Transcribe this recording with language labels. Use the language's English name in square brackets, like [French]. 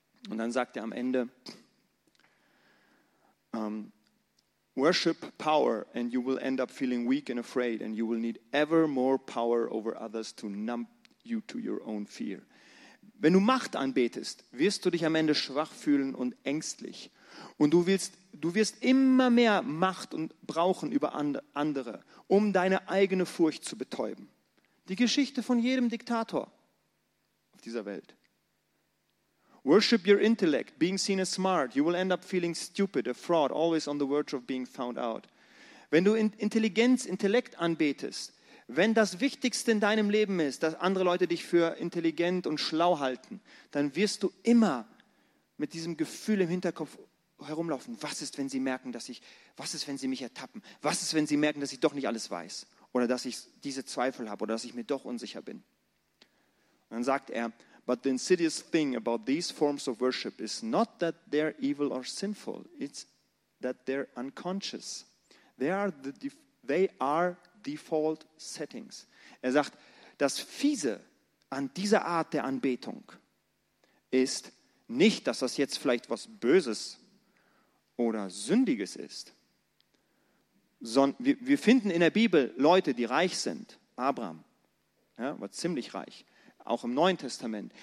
[German] Und dann sagt er am Ende, [English] worship power and you will end up feeling weak and afraid and you will need ever more power over others to numb you to your own fear. [German] Wenn du Macht anbetest, wirst du dich am Ende schwach fühlen und ängstlich. Und du wirst immer mehr Macht und brauchen über andere, um deine eigene Furcht zu betäuben. Die Geschichte von jedem Diktator auf dieser Welt. [English] Worship your intellect, being seen as smart. You will end up feeling stupid, a fraud, always on the verge of being found out. [German] Wenn du Intelligenz, Intellekt anbetest, wenn das Wichtigste in deinem Leben ist, dass andere Leute dich für intelligent und schlau halten, dann wirst du immer mit diesem Gefühl im Hinterkopf herumlaufen. Was ist, wenn sie merken, wenn sie mich ertappen? Was ist, wenn sie merken, dass ich doch nicht alles weiß? Oder dass ich diese Zweifel habe oder dass ich mir doch unsicher bin? Und dann sagt er, [English] but the insidious thing about these forms of worship is not that they're evil or sinful, it's that they're unconscious. They are default settings. [German] Er sagt, das Fiese an dieser Art der Anbetung ist nicht, dass das jetzt vielleicht was Böses oder Sündiges ist. Sondern wir finden in der Bibel Leute, die reich sind. Abraham, ja, war ziemlich reich, auch im Neuen Testament.